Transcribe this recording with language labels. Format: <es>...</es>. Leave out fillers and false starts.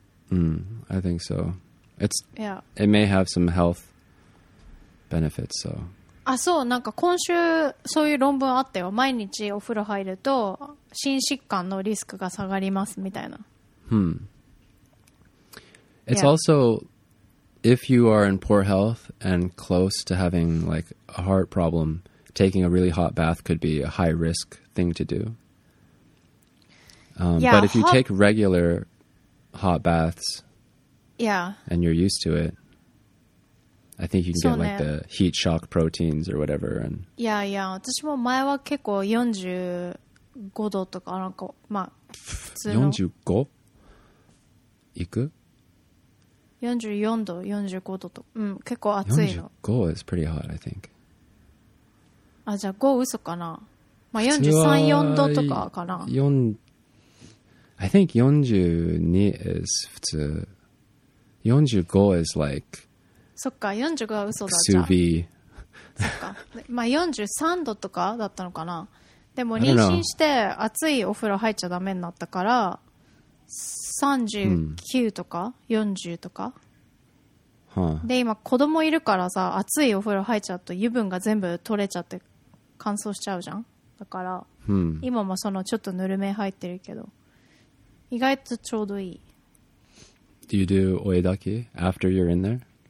<en>I think so. It's, yeah. It may have some health benefits, so.</en> <ja>あ、そう、なんか今週そういう論文あったよ。毎日お風呂入ると心疾患のリスクが下がりますみたいな。</ja> <en>It's yeah. also, if you are in poor health and close to having like a heart problem, taking a really hot bath could be a high risk thing to do. But if you take regular hot baths, yeah, and you're used to it, I think you can get like the heat shock proteins or whatever. And yeah.</en> <ja>私も前は結構45度とかなんかまあ普通の45行く 44度45度とうん結構暑いの</ja> <en>45 is pretty hot, I think.</en> <ja>あじゃあ5嘘かなまあ43、4度とかかな</ja> <en>4I think 42 is</en> <ja>普通。</ja> <en>45 is like</en> <ja>そっか、45は嘘だ、じゃん。そっか。まあ43度とかだったのかな。でも妊娠して熱いお風呂入っちゃダメになったから39とか、40とか。で今子供いるからさ、熱いお風呂入っちゃうと油分が全部取れちゃって乾燥しちゃうじゃん。だから、今もそのちょっとぬるめ入ってるけど。意外とちょうどいい。</ja> <en>Do you do oedaki after you're in there?</en>